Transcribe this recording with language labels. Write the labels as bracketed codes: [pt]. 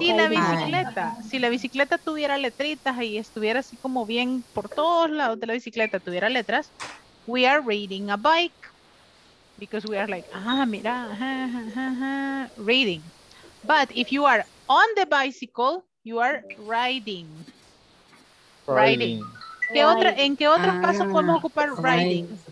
[es] Si la bicicleta, si la bicicleta tuviera letritas y estuviera así como bien por todos lados de la bicicleta tuviera letras, [en] we are riding a bike. Because we are like, mira, riding. But if you are on the bicycle, you are riding. Riding. [es] ¿Qué otra, ¿En qué otro caso podemos ocupar riding?